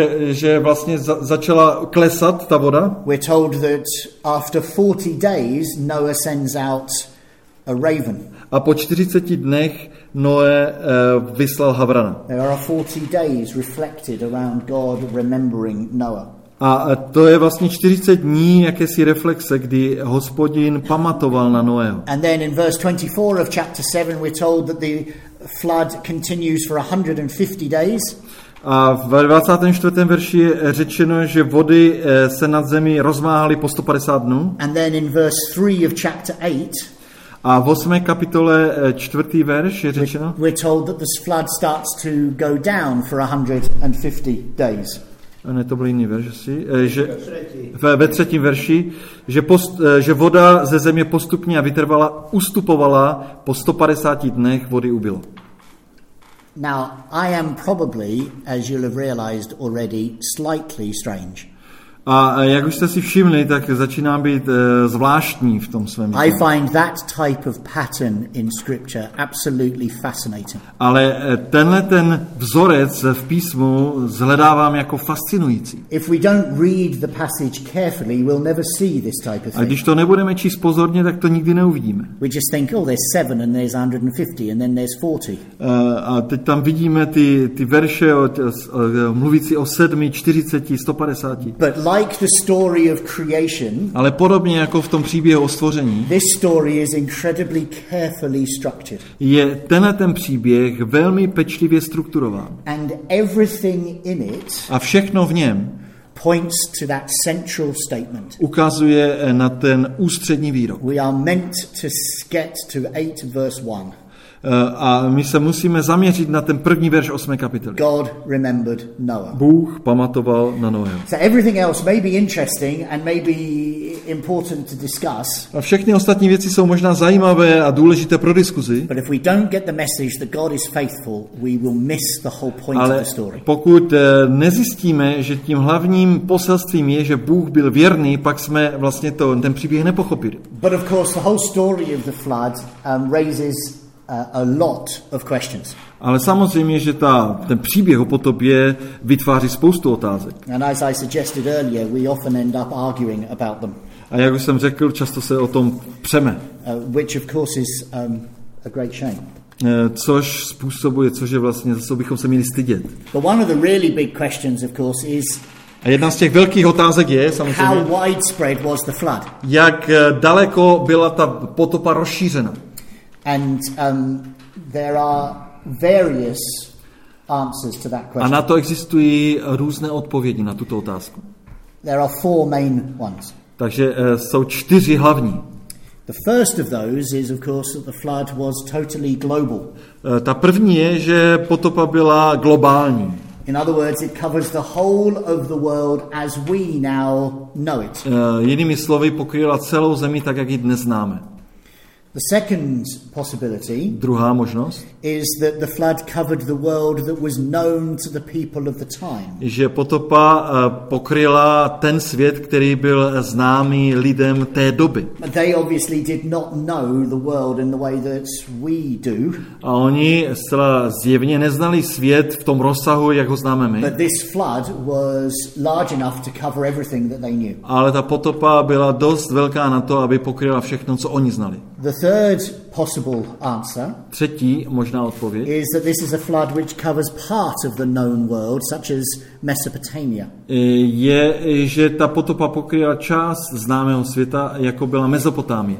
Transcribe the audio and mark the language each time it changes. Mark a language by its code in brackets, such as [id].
[cs] Že vlastně začala klesat ta voda. [en] We're told that after 40 days Noah sends out a raven. [cs] A po 40 dnech Noé vyslal havrana. [en] There are 40 days reflected around God remembering Noah. [cs] A to je vlastně 40 dní jakési reflexe, kdy Hospodin pamatoval na Noého. [en] And then in verse 24 of chapter 7 we're told that the flood continues for 150 days. [cs] A v 24. verši je řečeno, že vody se nad zemí rozmáhaly po 150 dnů. [en] And then in verse 3 of chapter 8. [cs] A v 8. kapitole 4. verš je řečeno. [en] We're told that the flood starts to go down for 150 days. [cs] A ne, to byl jiný verš, že ve 3. verši, že voda ze země postupně a vytrvala ustupovala po 150 dnech vody ubylo. [en] Now, I am probably, as you'll have realized already, slightly strange. [cs] A jak už jste si všimli, tak začínám být zvláštní v tom svém. [en] I find that type of pattern in scripture absolutely fascinating. [cs] Ale tenhle ten vzorec v písmu shledávám jako fascinující. [en] If we don't read the passage carefully, we'll never see this type of thing. [cs] A když to nebudeme číst pozorně, tak to nikdy neuvidíme. [en] We just think, oh, there's 7 and there's 150 and then there's 40. [cs] A teď tam vidíme ty verše mluvící o 7, 40, 150. [en] Like the story of creation, [cs] ale podobně jako v tom příběhu o stvoření, [en] this story is incredibly carefully structured. [cs] Je tenhle ten příběh velmi pečlivě strukturován. [en] And everything in it, [cs] a všechno v něm, [en] points to that central statement. [cs] Ukazuje na ten ústřední výrok. [en] We are meant to get to 8 verse 1. [cs] A my se musíme zaměřit na ten první verš 8. kapitoly. [en] God remembered Noah. [cs] Bůh pamatoval na Noého. [en] So everything else may be interesting and may be important to discuss. [cs] A všechny ostatní věci jsou možná zajímavé a důležité pro diskuzi. [en] But if we don't get the message that God is faithful, we will miss the whole point of the story. [cs] Ale pokud nezjistíme, že tím hlavním poselstvím je, že Bůh byl věrný, pak jsme vlastně to ten příběh nepochopili. [en] But of course the whole story of the flood raises a lot of questions. [cs] Ale samozřejmě, že ten příběh o potopě vytváří spoustu otázek. [en] And as I suggested earlier, we often end up arguing about them. [cs] A jak už jsem řekl, často se o tom přeme. [en] Which of course is a great shame. [cs] Což způsobuje, což je vlastně, za co bychom se měli stydět. [en] But one of the really big questions, of course, is. [cs] A jedna z těch velkých otázek je samozřejmě. [en] How widespread was the flood? [cs] Jak daleko byla ta potopa rozšířena? [en] And there are various answers to that question. [cs] A na to existují různé odpovědi na tuto otázku. [en] There are four main ones. [cs] Takže jsou čtyři hlavní. [en] The first of those is of course that the flood was totally global. [cs] Ta první je, že potopa byla globální. [en] In other words, it covers the whole of the world as we now know it. [cs] Jinými slovy, pokryla celou zemi tak, jak ji dnes známe. [en] The second possibility, [cs] druhá možnost, [en] is that the flood covered the world that was known to the people of the time. [cs] Že potopa pokryla ten svět, který byl známý lidem té doby. [en] They obviously did not know the world in the way that we do. [cs] A oni zcela zjevně neznali svět v tom rozsahu, jak ho známe my. [en] But this flood was large enough to cover everything that they knew. [cs] Ale ta potopa byla dost velká na to, aby pokryla všechno, co oni znali. [en] The third possible answer. [cs] Třetí možná odpověď. [en] Is that this is a flood which covers part of the known world such as Mesopotamia. [cs] Je, že ta potopa pokryla část známého světa, jako byla Mezopotámie.